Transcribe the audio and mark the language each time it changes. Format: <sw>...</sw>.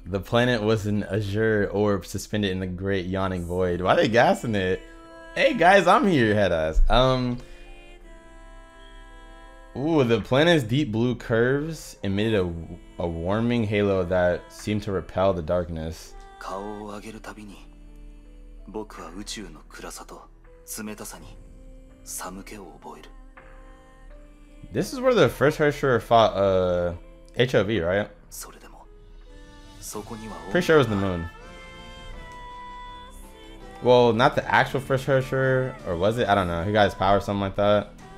<en>The planet was an azure orb suspended in the great yawning void. Why are they gassing it? Hey guys, I'm here, head ass. The planet's deep blue curves emitted a warming halo that seemed to repel the darkness.</en> <ja>顔を上げるたびに僕は宇宙の暗さと 冷たさに寒気を覚える.</ja> <en>This is where the first Hersher fought HOV, right?</en> <ja>それでもそこには</ja> <en>Pretty sure it was the moon. Well, not the actual first Hersher, or was it? I don't know. He got his power or something like that.</en>